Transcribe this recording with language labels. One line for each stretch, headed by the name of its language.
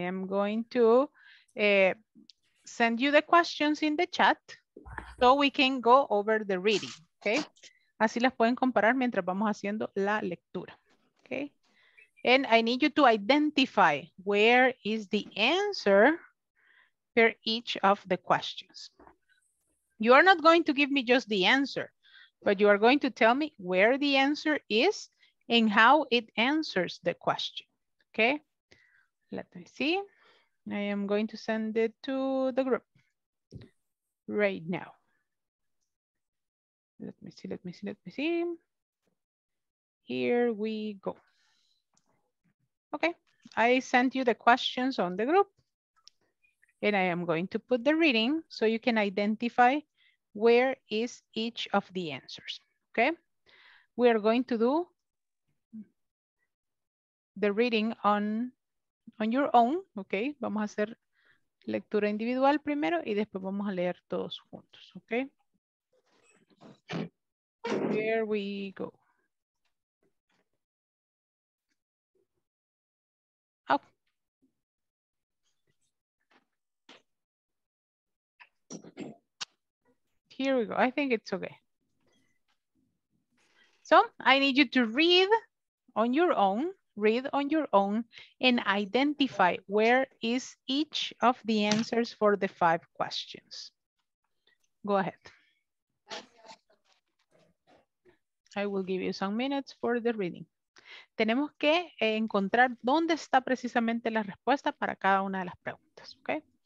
English: I am going to send you the questions in the chat so we can go over the reading, okay?
Spanish: Así las pueden comparar mientras vamos haciendo la lectura, okay?
English: And I need you to identify where is the answer per each of the questions. You are not going to give me just the answer, but you are going to tell me where the answer is and how it answers the question, okay? Let me see. I am going to send it to the group right now. Let me see. Here we go. Okay, I sent you the questions on the group and I am going to put the reading so you can identify where is each of the answers, okay? We are going to do the reading on your own, okay?
Spanish: Vamos a hacer lectura individual primero y después vamos a leer todos juntos, okay?
English: Here we go. Oh. Here we go. I think it's okay. So I need you to read on your own and identify where is each of the answers for the five questions. Go ahead. I will give you some minutes for the reading.
Spanish: Tenemos que encontrar dónde está precisamente la respuesta para cada una de las preguntas, okay?